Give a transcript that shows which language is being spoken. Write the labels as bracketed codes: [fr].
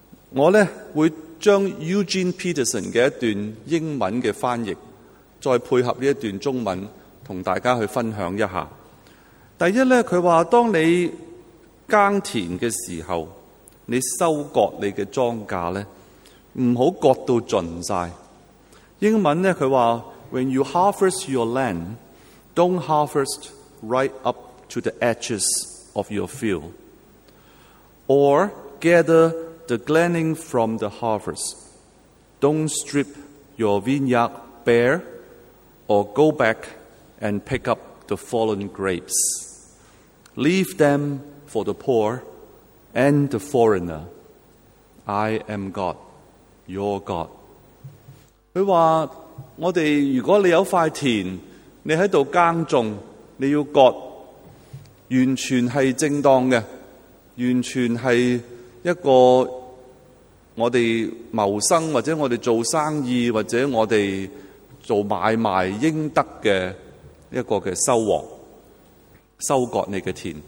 [zh] 我呢会将 Eugene Peterson 的一段英文的翻译再配合这一段中文和大家去分享一下。第一呢，他说当你耕田的时候，你收割你的庄稼呢，不要割到尽晒。英文呢，他说 [en] When you harvest your land, don't harvest right up to the edges of your field, or gather the gleaning from the harvest. Don't strip your vineyard bare, or go back and pick up the fallen grapes. Leave them for the poor and the foreigner. I am God, your God. [zh] 他说，我们如果你有块田，你在这里耕种，你要割，完全是正当的，完全是一个我们谋生或者我们做生意或者我们做买卖应得的一个的收获，收割你的田。